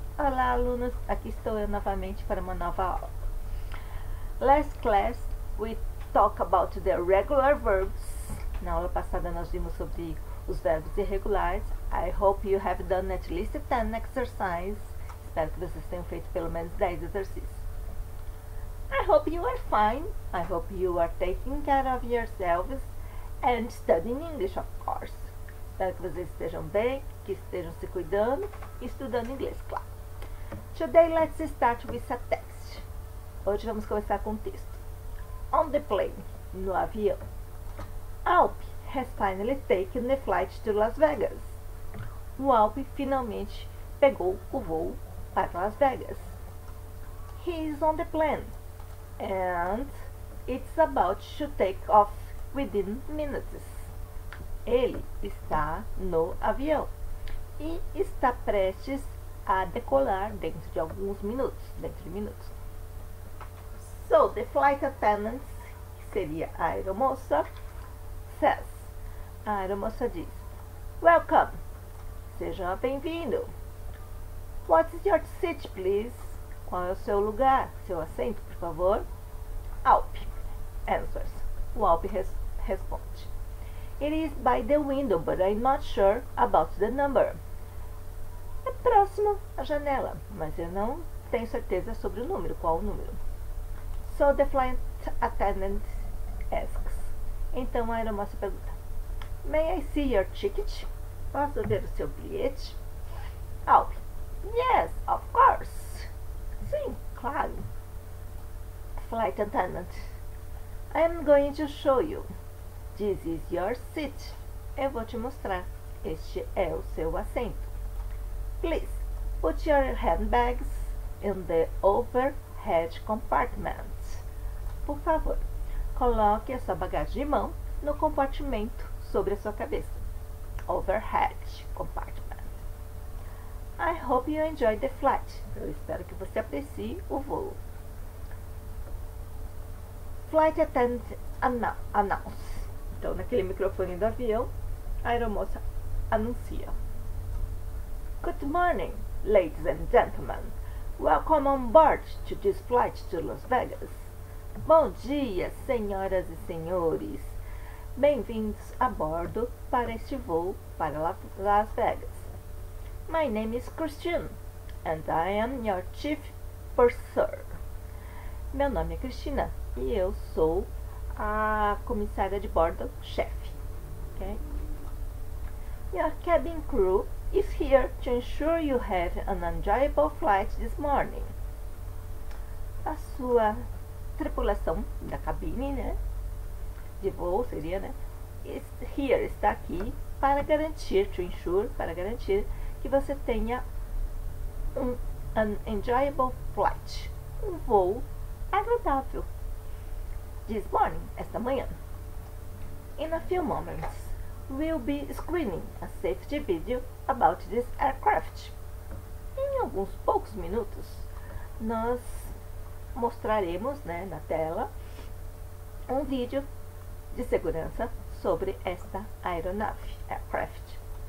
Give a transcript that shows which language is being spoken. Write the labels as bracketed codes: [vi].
[pt] Olá alunos, aqui estou eu novamente para uma nova aula. [en] Last class, we talked about the regular verbs. [pt] Na aula passada nós vimos sobre os verbos irregulares. [en] I hope you have done at least 10 exercises. [pt] Espero que vocês tenham feito pelo menos 10 exercícios. [en] I hope you are fine. I hope you are taking care of yourselves and studying English, of course. [pt] Espero que vocês estejam bem, que estejam se cuidando e estudando inglês, claro. [en] Today, let's start with a text. [pt] Hoje vamos começar com um texto. [en] On the plane, [pt] no avião. [en] Alp has finally taken the flight to Las Vegas. [pt] O Alp finalmente pegou o voo para Las Vegas. [en] He is on the plane. And it's about to take off within minutes. [pt] Ele está no avião e está prestes a decolar dentro de alguns minutos, dentro de minutos. [en] So, the flight attendant, [pt] que seria a aeromoça, [en] says, [pt] a aeromoça diz, [en] Welcome, [pt] seja bem-vindo. [en] What's your seat, please? [pt] Qual é o seu lugar, seu assento, por favor? [en] Alp answers. [pt] O Alp responde. [en] It is by the window, but I'm not sure about the number. [pt] É próximo à janela, mas eu não tenho certeza sobre o número, qual o número. [en] So the flight attendant asks. [pt] Então a aeromoça pergunta. [en] May I see your ticket? [pt] Posso ver o seu bilhete? [en] Alp. Yes, of course. [pt] Sim, claro. [en] Flight attendant. I am going to show you. This is your seat. [pt] Eu vou te mostrar. Este é o seu assento. [en] Please, put your handbags in the overhead compartment. [pt] Por favor, coloque a sua bagagem de mão no compartimento sobre a sua cabeça. [en] Overhead compartment. I hope you enjoy the flight. [pt] Eu espero que você aprecie o voo. [en] Flight attendant announce. [pt] Então, naquele microfone do avião, a aeromoça anuncia. [en] Good morning, ladies and gentlemen. Welcome on board to this flight to Las Vegas. [pt] Bom dia, senhoras e senhores. Bem-vindos a bordo para este voo para Las Vegas. [en] My name is Christine, and I am your chief purser. [pt] Meu nome é Cristina, e eu sou a comissária de bordo, chefe. [en] Okay? Your cabin crew is here to ensure you have an enjoyable flight this morning. [pt] A sua tripulação da cabine, né? De voo seria, né? [en] Is here, [pt] está aqui para garantir, [en] to ensure, [pt] para garantir que você tenha [en] an enjoyable flight. [pt] Um voo agradável. [en] This morning, [pt] esta manhã. [en] In a few moments, we'll be screening a safety video about this aircraft. [pt] Em alguns poucos minutos, nós mostraremos, né, na tela um vídeo de segurança sobre esta aeronave, aircraft.